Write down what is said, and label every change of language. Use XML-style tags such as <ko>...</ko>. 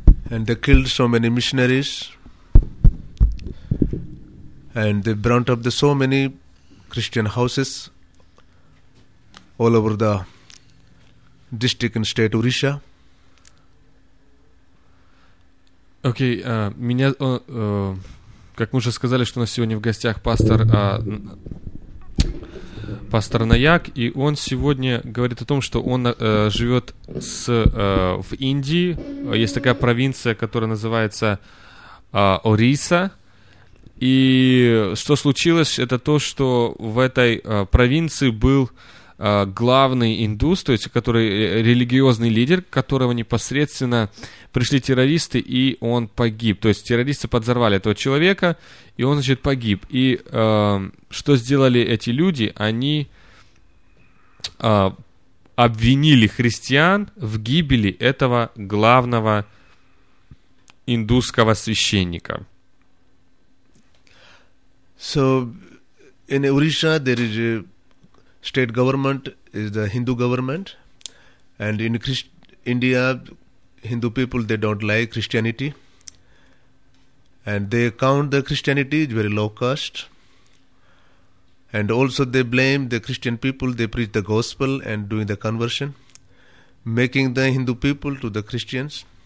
<en>And they killed so many missionaries. And they burnt up so many Christian houses all over the district and state of Orissa.</en> <ru>Окей, как мы уже сказали, что у нас сегодня в гостях пастор Наяк, и он сегодня говорит о том, что он живет в Индии. Есть такая провинция, которая называется Орисса. И что случилось, это то, что в этой провинции был главный индус, то есть который религиозный лидер, которого непосредственно пришли террористы, и он погиб. То есть террористы подорвали этого человека, и он, значит, погиб. И что сделали эти люди? Они обвинили христиан в гибели этого главного индусского священника.</ru> <en>So, in Orissa, there is a state government, is the Hindu government, and in India, Hindu people, they don't like Christianity, and they count the Christianity as very low caste, and also they blame the Christian people, they preach the gospel and doing the conversion, making the Hindu people to the Christians.</en>